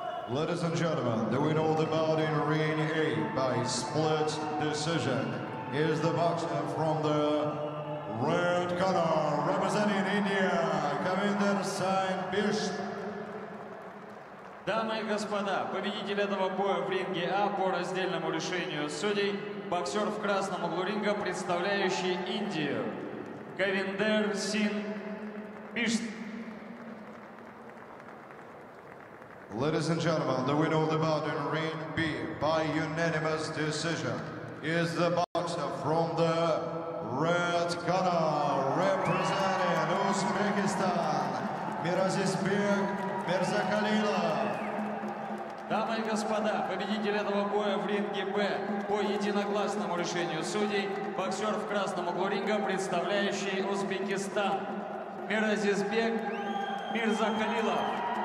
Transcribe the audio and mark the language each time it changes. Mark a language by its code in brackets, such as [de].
[en] Ladies and gentlemen, the winner of the bout in ring A by split decision is the boxer from the red corner representing India, Kavinder Singh Bishn. [ru] Дамы и господа, победитель этого боя в ринге А по раздельному решению судей, боксер в красном углу ринга, представляющий Индию, Кавиндер Сингх Бишн. [en] Ladies and gentlemen, the winner of the bout in ring B by unanimous decision is the boxer from the red corner representing Uzbekistan, Mirazizbek Mirzakhalilov. [ru] Дамы и господа, победитель этого боя в ринге Б по единогласному решению судей, боксер в красном углу ринга, представляющий Узбекистан, Mirazizbek Mirzakhalilov.